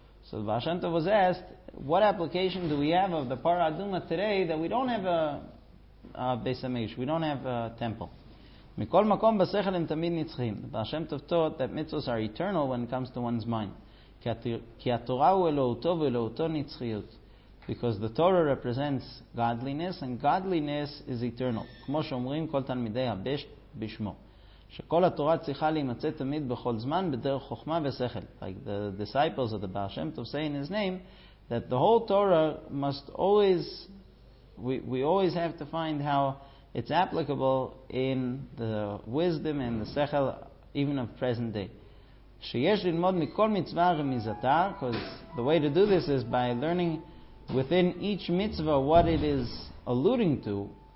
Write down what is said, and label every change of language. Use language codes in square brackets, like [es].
[en] So the Baal Shem Tov was asked, what application do we have of the Parah Aduma today that we don't have a Beis HaMikdash, we don't have a temple? [he] Mikol makom basechel hem tamid nitzchim. [en] The Baal Shem Tov taught that mitzvot are eternal when it comes to one's mind. [he] Ki haTorah hu elohuto velohuto nitzchiyut. [en] Because the Torah represents godliness, and godliness is eternal. [he] כמו שאומרים כל תלמידי הבש בשמו, שכל התורה צריכה להימצא תמיד בכל זמן בדרך חוכמה ושכל. [en] Like the disciples of the Baal Shem Tov say in his name, that the whole Torah must always, we always have to find how it's applicable in the wisdom and the sechel, even of present day. [he] שיש ללמוד מכל מצווה רמיזתה, [en] because the way to do this is by learning within each mitzvah what it is alluding to.